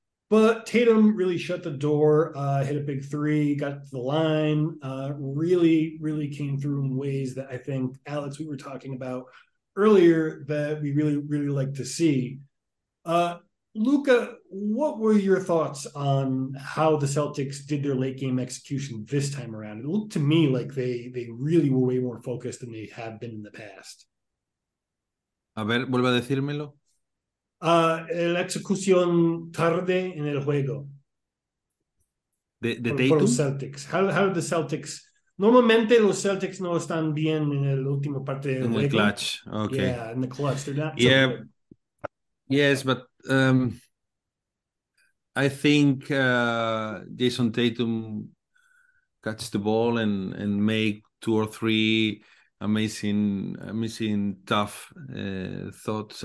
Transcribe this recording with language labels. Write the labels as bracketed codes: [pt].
[en] But Tatum really shut the door, hit a big three, got to the line, really, really came through in ways that I think, Alex, we were talking about earlier that we really, really like to see. Luca, what were your thoughts on how the Celtics did their late game execution this time around? It looked to me like they really were way more focused than they have been in the past. [es] A ver, vuelve a decírmelo. La execución tarde en el juego. De Tatum? [en] For Celtics. How did the Celtics... [es] Normalmente los Celtics no están bien en el último parte del juego. [en] In the clutch, okay. Yeah, in the clutch. They're not... Yeah. Yes, but I think Jason Tatum catches the ball and make two or three amazing tough thoughts.